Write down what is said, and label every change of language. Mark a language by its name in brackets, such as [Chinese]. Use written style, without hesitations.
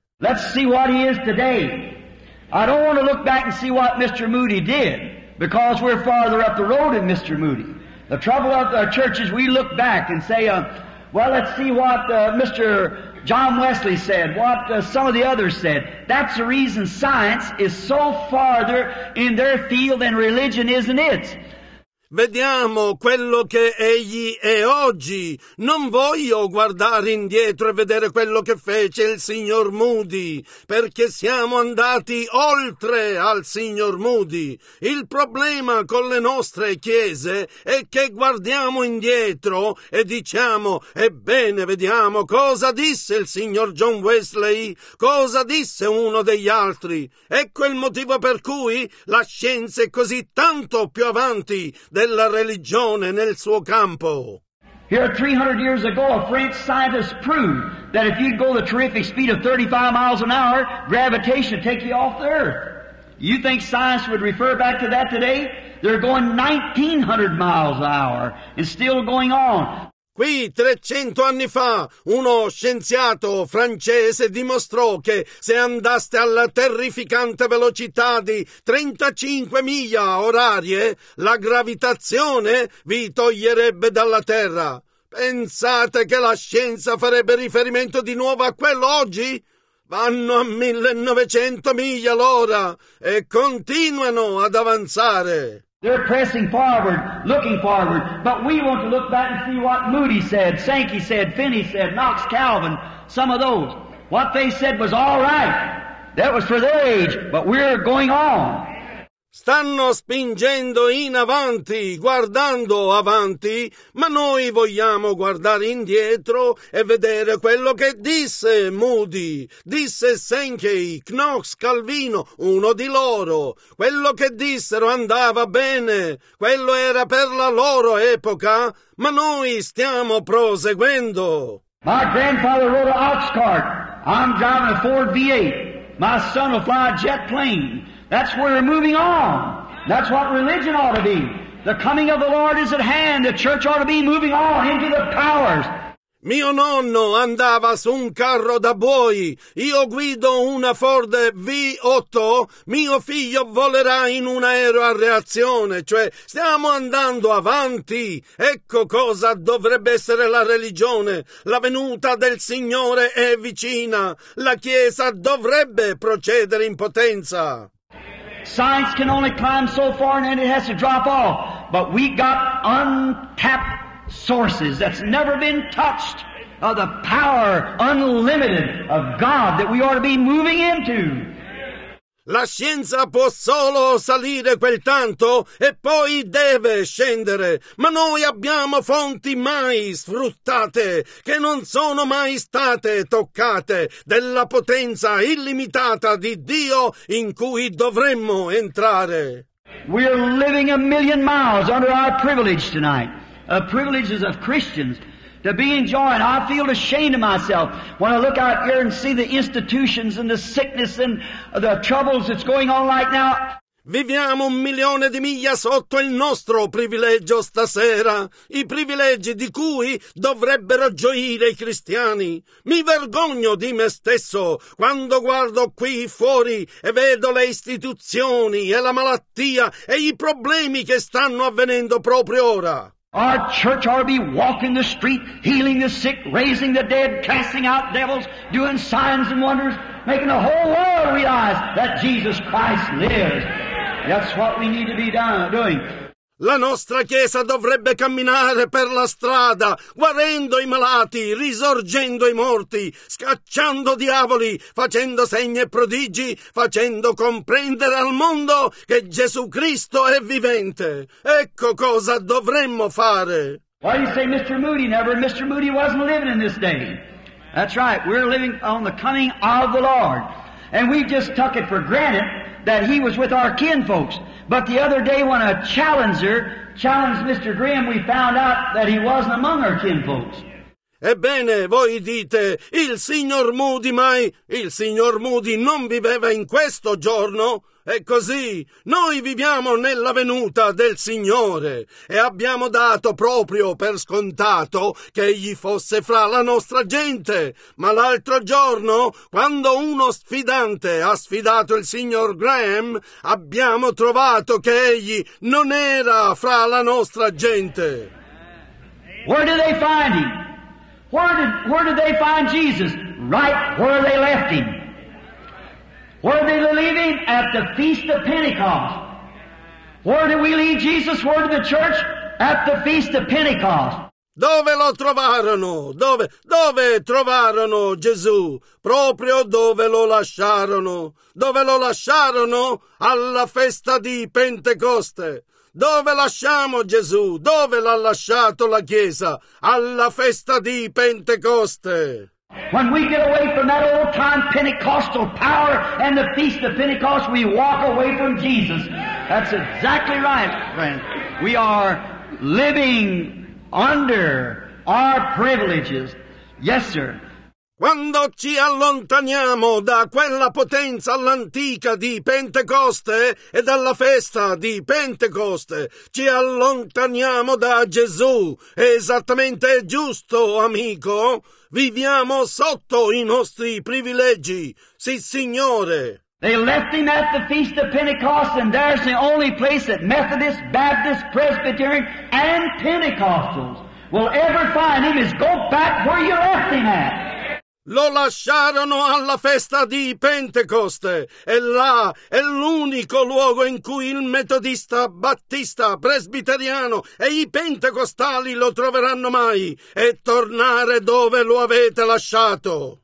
[English] Let's see what he is today. I don't want to look back and see what Mr. Moody did, because we're farther up the road than Mr. Moody. The trouble of our church is we look back and say, well, let's see what Mr. John Wesley said, what some of the others said. That's the reason science is so farther in their field than religion, isn't it? [Italian] Vediamo quello che egli è oggi. Non voglio guardare indietro e vedere quello che fece il signor Moody, perché siamo andati oltre al signor Moody. Il problema con le nostre chiese è che guardiamo indietro e diciamo, ebbene, vediamo cosa disse il signor John Wesley, cosa disse uno degli altri. Ecco il motivo per cui la scienza è così tanto più avanti della religione nel suo campo. [English] Here 300 years ago a French scientist proved that if you go the terrific speed of 35 miles an hour, gravitation would take you off the earth. You think science would refer back to that today? They're going 1900 miles an hour and still going on. [Italian] Qui 300 anni fa uno scienziato francese dimostrò che se andaste alla terrificante velocità di 35 miglia orarie, la gravitazione vi toglierebbe dalla Terra. Pensate che la scienza farebbe riferimento di nuovo a quello oggi? Vanno a 1900 miglia l'ora e continuano ad avanzare. [English] They're pressing forward, looking forward, but we want to look back and see what Moody said, Sankey said, Finney said, Knox, Calvin, some of those. What they said was all right. That was for their age, but we're going on. [Italian] Stanno spingendo in avanti, guardando avanti, ma noi vogliamo guardare indietro e vedere quello che disse Moody, disse Sankey, Knox, Calvino, uno di loro. Quello che dissero andava bene, quello era per la loro epoca, ma noi stiamo proseguendo. [English] My grandfather rode an ox cart. I'm driving a Ford V8. My son will fly a jet plane. That's where we're moving on. That's what religion ought to be. The coming of the Lord is at hand. The church ought to be moving on into the powers. [Italian] Mio nonno andava su un carro da buoi. Io guido una Ford V8. Mio figlio volerà in un aereo a reazione. Cioè, stiamo andando avanti. Ecco cosa dovrebbe essere la religione. La venuta del Signore è vicina. La Chiesa dovrebbe procedere in potenza. Amen. [English] Science can only climb so far and then it has to drop off. But we got untapped sources that's never been touched of the power unlimited of God that we ought to be moving into. [Italian] La scienza può solo salire quel tanto e poi deve scendere, ma noi abbiamo fonti mai sfruttate, che non sono mai state toccate, della potenza illimitata di Dio in cui dovremmo entrare. [English] We are living a million miles under our privilege tonight, a privileges of Christians. To be enjoying. I feel ashamed of myself when I look out here and see the institutions and the sickness and the troubles that's going on right now. [Italian] Viviamo un milione di miglia sotto il nostro privilegio stasera, i privilegi di cui dovrebbero gioire i cristiani. Mi vergogno di me stesso quando guardo qui fuori e vedo le istituzioni e la malattia e i problemi che stanno avvenendo proprio ora. [English] Our church ought to be walking the street, healing the sick, raising the dead, casting out devils, doing signs and wonders, making the whole world realize that Jesus Christ lives. That's what we need to be doing. [Italian] La nostra Chiesa dovrebbe camminare per la strada, guarendo i malati, risorgendo i morti, scacciando diavoli, facendo segni e prodigi, facendo comprendere al mondo che Gesù Cristo è vivente. Ecco cosa dovremmo fare. [English] Why do you say Mr. Moody never? Mr. Moody wasn't living in this day. That's right, we're living on the coming of the Lord. And we just took it for granted that he was with our kinfolks. But the other day when a challenger challenged Mr. Graham, we found out that he wasn't among our kinfolks. [Italian] Ebbene, voi dite, il signor Moody mai, il signor Moody non viveva in questo giorno. È così, noi viviamo nella venuta del Signore e abbiamo dato proprio per scontato che egli fosse fra la nostra gente. Ma l'altro giorno, quando uno sfidante ha sfidato il signor Graham, abbiamo trovato che egli non era fra la nostra gente. [English] Where did they find him? Where did they find Jesus? Right where they left him. Where did they leave him? At the Feast of Pentecost. Where did we leave Jesus? Where did the church? At the Feast of Pentecost. [Italian] Dove lo trovarono? Dove trovarono Gesù? Proprio dove lo lasciarono. Dove lo lasciarono? Alla festa di Pentecoste. Dove lasciamo Gesù? Dove l'ha lasciato la Chiesa? Alla festa di Pentecoste. [English] When we get away from that old time Pentecostal power and the Feast of Pentecost, we walk away from Jesus. That's exactly right, friend. We are living under our privileges. Yes, sir. [Italian] Quando ci allontaniamo da quella potenza all'antica di Pentecoste e dalla festa di Pentecoste, ci allontaniamo da Gesù. È esattamente giusto, amico. Viviamo sotto i nostri privilegi, sì signore. [English] They left him at the Feast of Pentecost, and there's the only place that Methodists, Baptists, Presbyterians, and Pentecostals will ever find him is go back where you left him at. [Italian] Lo lasciarono alla festa di Pentecoste, e là è l'unico luogo in cui il metodista, battista, presbiteriano e i pentecostali lo troveranno mai, e tornare dove lo avete lasciato.